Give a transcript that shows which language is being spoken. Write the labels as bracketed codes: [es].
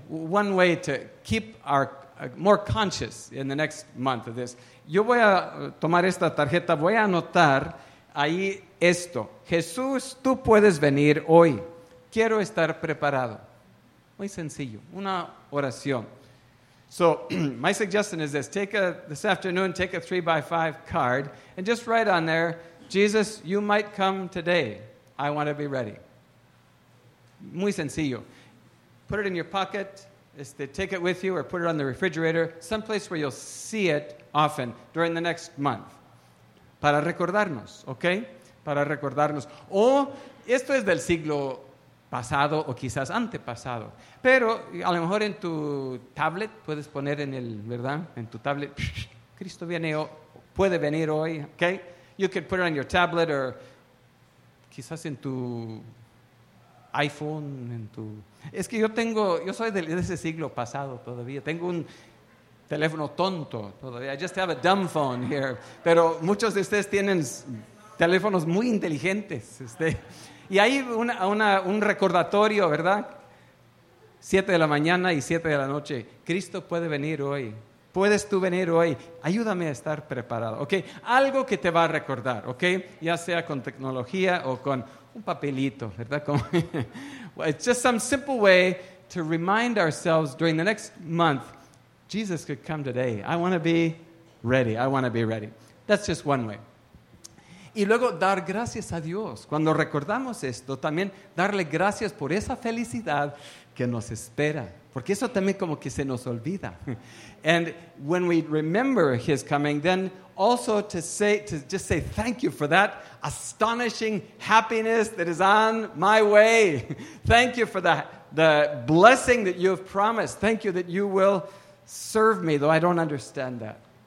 [en] One way to keep our more conscious in the next month of this. [es] Yo voy a tomar esta tarjeta, voy a anotar ahí esto. Jesús, tú puedes venir hoy. Quiero estar preparado. Muy sencillo, una oración. [en] So, my suggestion is this. This afternoon, take a 3x5 card and just write on there, Jesus, you might come today. I want to be ready. [es] Muy sencillo. [en] Put it in your pocket. Take it with you or put it on the refrigerator, someplace where you'll see it often during the next month. [es] Para recordarnos, ¿ok? Para recordarnos. O esto es del siglo pasado o quizás antepasado. Pero a lo mejor en tu tablet puedes poner en el, ¿verdad? En tu tablet, Cristo viene o puede venir hoy, ¿ok? [en] You could put it on your tablet or [es] quizás en tu iPhone, en tu... Es que yo soy de ese siglo pasado todavía. Tengo un teléfono tonto todavía. [en] I just have a dumb phone here. [es] Pero muchos de ustedes tienen teléfonos muy inteligentes. Y hay un recordatorio, ¿verdad? 7 de la mañana y 7 de la noche. Cristo puede venir hoy. Puedes tú venir hoy. Ayúdame a estar preparado, ¿ok? Algo que te va a recordar, ¿ok? Ya sea con tecnología o con un papelito, ¿verdad? [en] Well, it's just some simple way to remind ourselves during the next month, Jesus could come today. I want to be ready. That's just one way. [es] Y luego dar gracias a Dios. Cuando recordamos esto, también darle gracias por esa felicidad que nos espera. Porque eso también como que se nos olvida. [en] And when we remember his coming, then also to just say thank you for that astonishing happiness that is on my way. Thank you for the blessing that you have promised. Thank you that you will serve me, though I don't understand that.